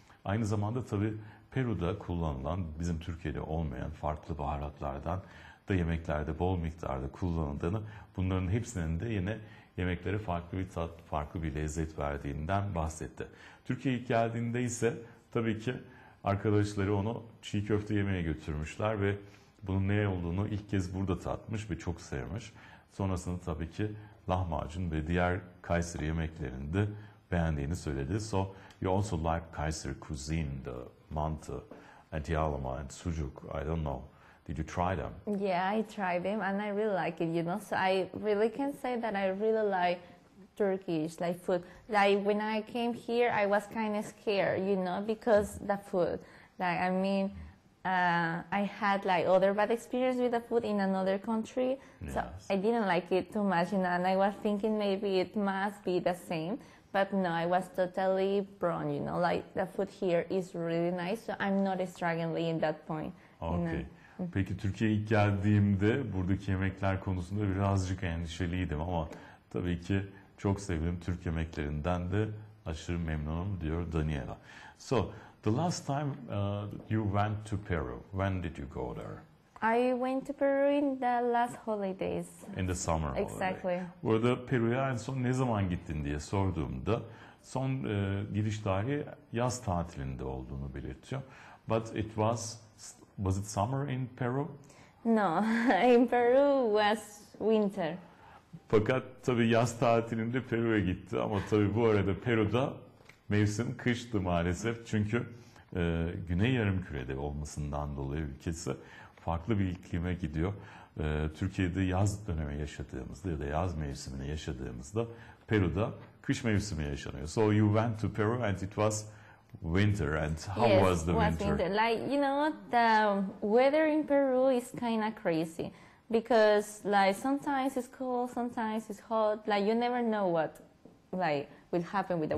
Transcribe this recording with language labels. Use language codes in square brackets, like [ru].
[tr] Aynı zamanda tabii Peru'da kullanılan, bizim Türkiye'de olmayan farklı baharatlardan da yemeklerde bol miktarda kullanıldığını, bunların hepsinin de yine yemeklere farklı bir tat, farklı bir lezzet verdiğinden bahsetti. Türkiye'ye geldiğinde ise tabii ki arkadaşları onu çiğ köfte yemeye götürmüşler ve bunun ne olduğunu ilk kez burada tatmış ve çok sevmiş. Sonrasında tabii ki lahmacun ve diğer Kayseri yemeklerini de beğendiğini söyledi. [en] So, you also like Kayseri cuisine, the mantı, antialama, and sucuk, I don't know. Did you try them? Yeah, I tried them and I really like it, you know. So I really can say that I really like Turkish like food. Like when I came here, I was kind of scared, you know, because the food. Like, I mean, I had like other bad experience with the food in another country. Yes. So I didn't like it too much, you know, and I was thinking maybe it must be the same. But no, I was totally wrong, you know, like the food here is really nice. So I'm not struggling in that point. Okay. You know? [tr] Peki Türkiye'ye ilk geldiğimde buradaki yemekler konusunda birazcık endişeliydim ama tabii ki çok sevdim. Türk yemeklerinden de aşırı memnunum diyor Daniela. [en] So, the last time you went to Peru, when did you go there? I went to Peru in the last holidays. In the summer. Exactly. Holiday. [tr] Bu arada Peru'ya en son ne zaman gittin diye sorduğumda son giriş tarihi yaz tatilinde olduğunu belirtiyor. [en] But it was it summer in Peru? No, in Peru was winter. [tr] Fakat tabii yaz tatilinde Peru'ya gitti ama tabii bu arada Peru'da mevsim kıştı maalesef. Çünkü Güney Yarımküre'de olmasından dolayı ülkesi farklı bir iklime gidiyor. Türkiye'de yaz dönemi yaşadığımızda ya da yaz mevsimini yaşadığımızda Peru'da kış mevsimi yaşanıyor. [en] So you went to Peru and it was winter. And how yes, was the winter? Winter? Like, you know, the weather in Peru is kind of crazy. Because like sometimes it's cold, sometimes it's hot. Like you never know what like will happen with the